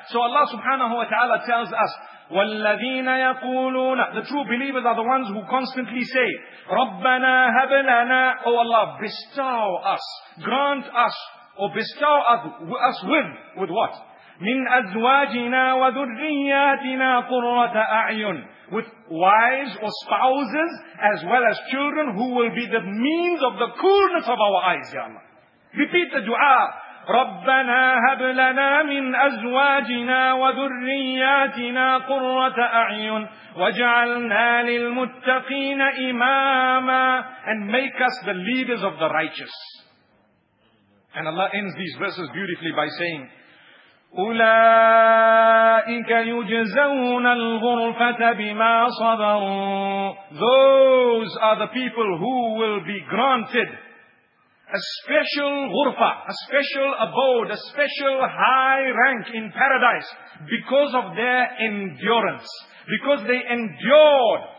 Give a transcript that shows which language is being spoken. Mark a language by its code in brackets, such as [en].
[en] So Allah subhanahu wa ta'ala tells us, [ar] وَالَّذِينَ يَقُولُونَ, [en] the true believers are the ones who constantly say, [ar] رَبَّنَا هَبْ لَنَا, [en] O Allah, bestow us, grant us, or bestow us with what? [ar] مِنْ أَزْوَاجِنَا وَذُرِّيَّاتِنَا قُرَّةَ أَعْيُنَ, [en] with wives or spouses, as well as children, who will be the means of the coolness of our eyes, Ya Allah. Repeat the dua. [ar] رَبَّنَا هَبْ لَنَا مِنْ أَزْوَاجِنَا وَذُرِّيَّاتِنَا قُرَّةَ أَعْيُنَ وَجَعَلْنَا لِلْمُتَّقِينَ إِمَامًا, [en] and make us the leaders of the righteous. And Allah ends these verses beautifully by saying, [ar] أُولَٰئِكَ يُجْزَوْنَ الْغُرْفَةَ بِمَا صَبَرُوا, [en] those are the people who will be granted a special ghurfa, a special abode, a special high rank in paradise because of their endurance, because they endured.